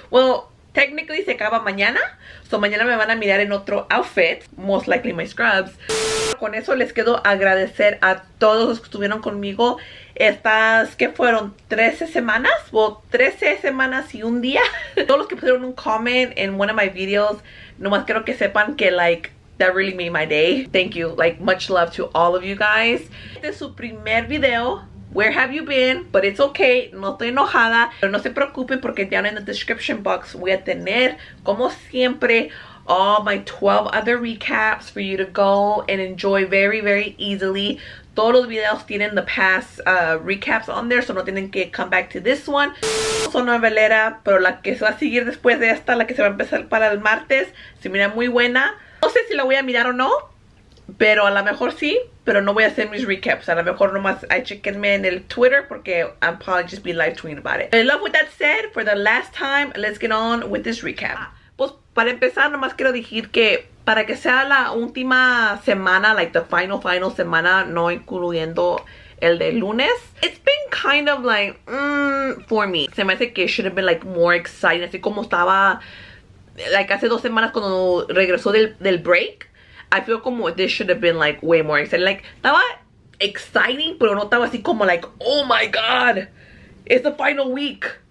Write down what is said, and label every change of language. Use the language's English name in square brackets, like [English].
[English] Well, technically [Spanish] se acaba mañana. So mañana me van a mirar en otro outfit. [English] Most likely my scrubs. [Spanish] Con eso les quiero agradecer a todos los que estuvieron conmigo estas, ¿qué fueron? 13 semanas. Well, 13 semanas y un día. Todos los que pusieron un comment en [English] one of my videos. [Spanish] Nomás quiero que sepan que, [English] like, that really made my day. Thank you. Like, much love to all of you guys. [Spanish] Este es su primer video. [English] Where have you been? But it's okay. [Spanish] No estoy enojada. Pero no se preocupen porque [English] down in the description box [Spanish] voy a tener, como siempre, [English] all my 12 other recaps for you to go and enjoy very, very easily. [Spanish] Todos los videos tienen [English] the past recaps on there, so [Spanish] no tienen que [English] come back to this one. [Spanish] Son novelera, pero la que se va a seguir después de esta, la que se va a empezar para el martes, se mira muy buena. No sé si la voy a mirar o no, pero a lo mejor sí, pero no voy a hacer mis recaps. A lo mejor nomás [English] I [Spanish] chequenme en el Twitter porque [English] I'll probably just be live tweeting about it. In love with that said, for the last time, let's get on with this recap. [Spanish] Pues para empezar, nomás quiero decir que para que sea la última semana, like [English] the final [Spanish] semana, no incluyendo el de lunes, [English] it's been kind of like, for me. [Spanish] Se me hace que [English] it should have been like more exciting. [Spanish] Así como estaba, [English] like [Spanish] hace dos semanas cuando regresó del [English] break, I feel como this should have been like way more exciting. Like, estaba exciting, [Spanish] pero no estaba así como [English] like, oh my god, it's the final week.